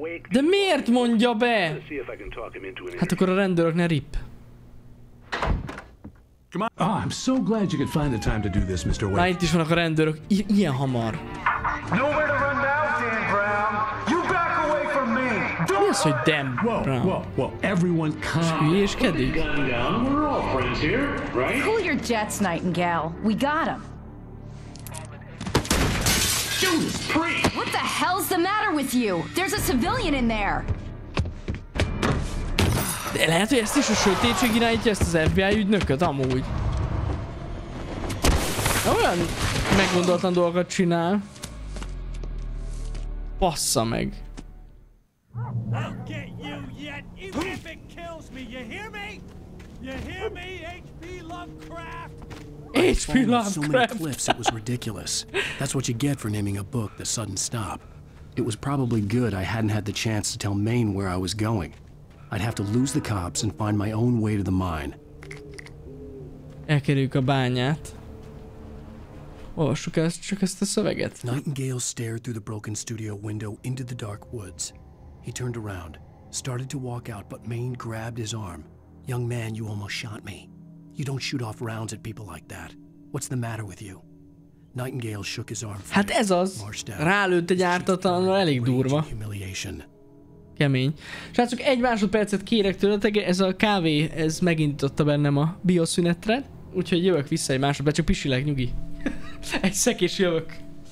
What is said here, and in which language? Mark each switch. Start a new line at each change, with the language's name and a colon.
Hungarian: De miért mondja be? Hát akkor a rendőrök ne rip.
English: Oh, I'm so glad you could find the time to do this, Mr. Wake.
Hungarian: Na itt is vannak a rendőrök, ilyen hamar.
English: Nowhere to run now, Dan Brown. You back away from me.
Hungarian: Don't mi az, hogy Dan Brown?
English: Well, everyone calm.
Hungarian: Hülyéskedik.
English: We're all friends here, right? Cool your jets, Nightingale. We got him. What the hell's the matter with you? There's a civilian in there.
Hungarian: De lehet, hogy ezt is a sötétség irányítja, ezt az FBI ügynököt amúgy. Olyan meggondoltan dolgokat csinál. Bassza meg.
English: I'll get you yet, even if it kills me, you hear me? You hear me, H.P. Lovecraft? H.P. Lovecraft! So many cliffs, it was ridiculous. That's what you get for naming a book The Sudden Stop. It was probably good I hadn't had the chance to tell Maine where I was going. I'd have to lose the cops and find my own way to the mine.
Hungarian: Elkerüljük a bányát. Olvassuk ezt, csak ezt a szöveget.
English: Nightingale stared through the broken studio window into the dark woods. He turned around, started to walk out, but Maine grabbed his arm. Young man, you almost shot me. You don't shoot off rounds at people like that. What's the matter with you? Nightingale shook his arm.
Hungarian: Hát ez az. Rálőtt egy ártatlanra, elég durva. Humiliation. Kemény. Srácok, egy másodpercet kérek tőletek, ez a kávé, ez megindította bennem a bioszünetre. Úgyhogy jövök vissza egy másodperc, csak pisileg, nyugi. Egy szekés jövök.